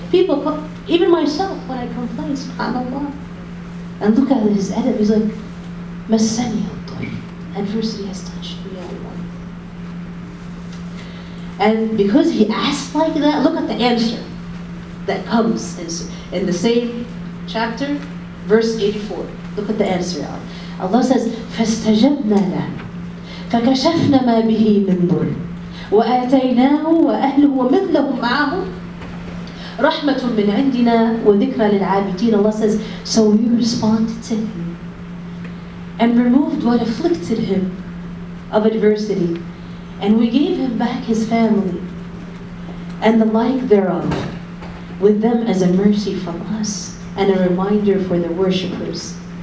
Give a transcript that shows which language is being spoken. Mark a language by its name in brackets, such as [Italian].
[English] People come, even myself, when I complain, subhanAllah. And look at his edit. He's like, [Arabic] Masani al-Dur. [English] Adversity has touched me, Allah. And because he asked like that, look at the answer that comes in the same chapter, verse 84. [Arabic] Look at the answer, Allah says, فَاسْتَجَبْنَا لَهُ فَكَشَفْنَا مَا بِهِ مِنْ ضُرٍ وَآتَيْنَاهُ وَأَهْلُهُ وَمِثْلَهُ مَعَهُ رَحْمَةٌ مِنْ عِنْدِنَا وَذِكْرَ لِلْعَابِدِينَ. [English] Allah says, so we responded to him and removed what afflicted him of adversity, and we gave him back his family and the like thereof, with them as a mercy from us and a reminder for the worshippers.